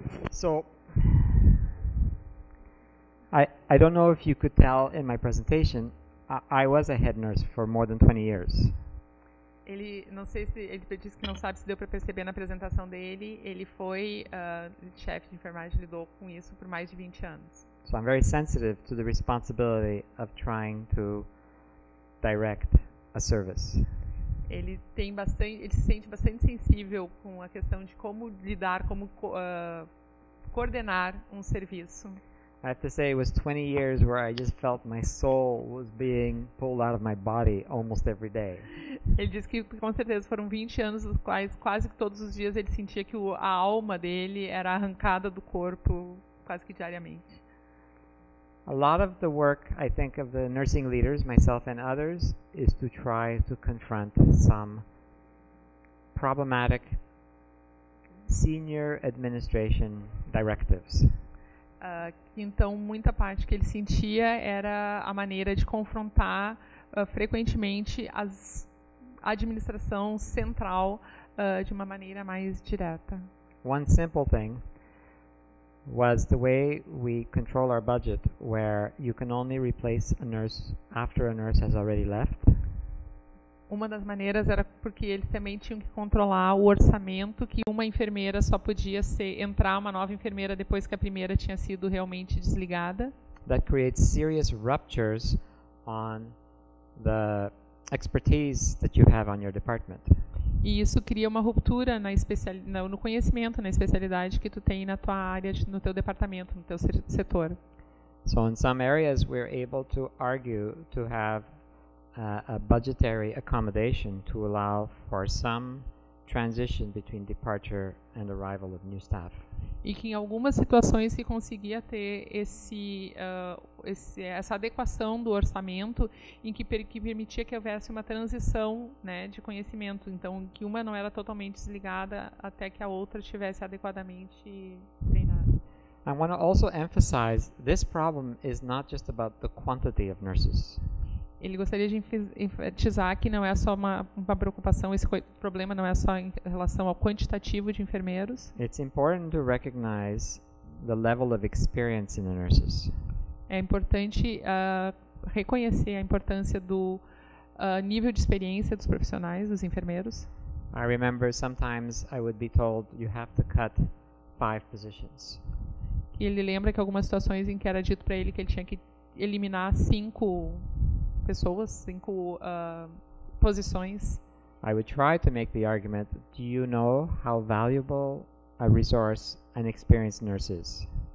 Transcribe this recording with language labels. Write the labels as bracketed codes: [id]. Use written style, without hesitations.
[en] So, I don't know if you could tell in my presentation, I was a head nurse for more than 20 years. [pt] Ele, não sei se ele disse que não sabe se deu para perceber na apresentação dele, ele foi chefe de enfermagem, lidou com isso por mais de 20 anos. [en] So I'm very sensitive to the responsibility of trying to direct a service. [pt] Ele tem bastante, ele se sente bastante sensível com a questão de como lidar, como coordenar um serviço. [en] I have to say it was 20 years where I just felt my soul was being pulled out of my body almost every day. [pt] Ele disse que com certeza foram 20 anos nos quais quase todos os dias ele sentia que a alma dele era arrancada do corpo quase que diariamente. [en] A lot of the work I think of the nursing leaders, myself and others, is to try to confront some problematic senior administration directives. [pt] Então, muita parte que ele sentia era a maneira de confrontar frequentemente a administração central de uma maneira mais direta. [en] One simple thing was the way we control our budget, where you can only replace a nurse after a nurse has already left. [pt] Uma das maneiras era porque eles também tinham que controlar o orçamento, que uma enfermeira só podia entrar uma nova enfermeira depois que a primeira tinha sido realmente desligada. [en] That creates serious ruptures on the expertise that you have on your department. [pt] E isso cria uma ruptura no conhecimento, na especialidade que tu tem na tua área, no teu departamento, no teu setor. [en] So in some areas we're able to argue to have a budgetary accommodation to allow for some transition between departure and arrival of new staff. [pt] E que em algumas situações se conseguia ter essa adequação do orçamento em que permitia que houvesse uma transição, né, de conhecimento. Então, que uma não era totalmente desligada até que a outra estivesse adequadamente treinada. [en] I want to also emphasize this problem is not just about the quantity of nurses. [pt] Ele gostaria de enfatizar que não é só uma preocupação, esse problema não é só em relação ao quantitativo de enfermeiros. [en] It's important to recognize the level of experience in the nurses. [pt] É importante reconhecer a importância do nível de experiência dos profissionais, dos enfermeiros. [en] I remember sometimes I would be told you have to cut 5 positions. [pt] E ele lembra que algumas situações em que era dito para ele que ele tinha que eliminar 5 pessoas, 5 posições. [en] I would try to make the argument, do you know how valuable a resource an experienced nurse is?